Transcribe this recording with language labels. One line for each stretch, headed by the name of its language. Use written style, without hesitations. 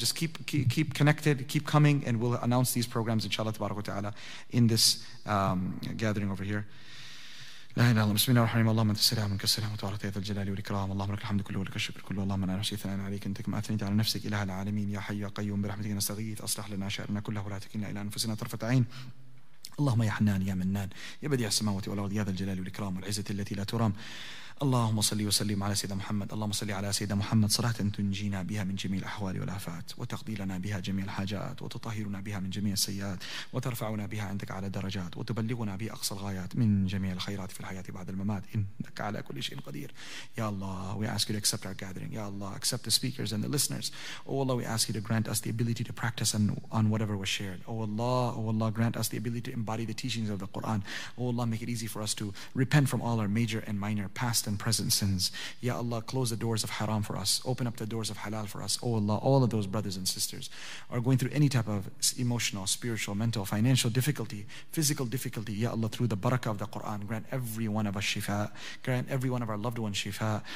English: Just keep connected, keep coming, and we'll announce these programs, inshallah, tabarakAllah, ta'ala, in this gathering over here.
Arabic: لا إله إلا الله بسم الله الرحمن الرحيم اللهم أنت السلام منك السلام وتعالى ذات الجلال والإكرام اللهم لك الحمد كله ولك الشكر كله اللهم أنا نحصي ثناء عليك أنت كما أثنيت على نفسك إله العالمين يا حي يا قيوم برحمتك نستغيث أصلح لنا شأننا كله ولا تكلنا إلى أنفسنا طرفة عين اللهم يا حنان يا منان يا بديع السماوات والأرض يا ذا الجلال والإكرام والعزة التي لا ترام اللهم صل وسلم على سيدنا محمد اللهم صل على سيدنا محمد صلاة تنجينا بها من جميع الأحوال والآفات وتقضي لنا بها جميع الحاجات وتطهرنا بها من جميع السيئات وترفعنا بها عندك على درجات وتبلغنا بها أقصى الغايات من جميع الخيرات في الحياة بعد الممات إنك على كل شيء قدير
English: يا الله we ask you to accept our gathering يا الله accept the speakers and the listeners oh Allah we ask you to grant us the ability to practice on whatever was shared oh Allah grant us the ability to embody the teachings of the Quran oh Allah make it easy for us to repent from all our major and minor past and present sins. Ya Allah, close the doors of haram for us. Open up the doors of halal for us. Oh Allah, all of those brothers and sisters are going through any type of emotional, spiritual, mental, financial difficulty, physical difficulty. Ya Allah, through the barakah of the Quran, grant every one of us shifa. Grant every one of our loved ones shifa.